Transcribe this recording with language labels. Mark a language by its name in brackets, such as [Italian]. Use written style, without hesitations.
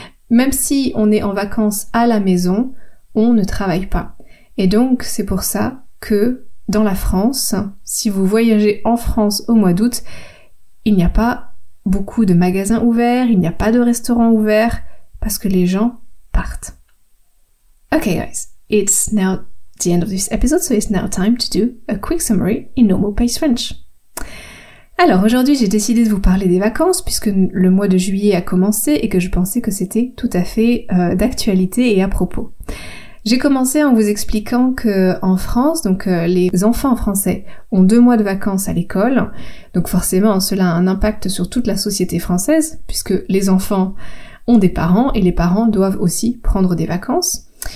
[French] Même si on est en vacances à la maison, on ne travaille pas. Et donc, c'est pour ça que dans la France, si vous voyagez en France au mois d'août, il n'y a pas beaucoup de magasins ouverts, il n'y a pas de restaurants ouverts, parce que les gens partent. [English] Okay guys, it's now the end of this episode, so it's now time to do a quick summary in normal pace French. [French] Alors aujourd'hui j'ai décidé de vous parler des vacances, puisque le mois de juillet a commencé et que je pensais que c'était tout à fait d'actualité et à propos. J'ai commencé en vous expliquant que en France, donc les enfants français ont 2 mois de vacances à l'école, donc forcément cela a un impact sur toute la société française, puisque les enfants ont des parents et les parents doivent aussi prendre des vacances.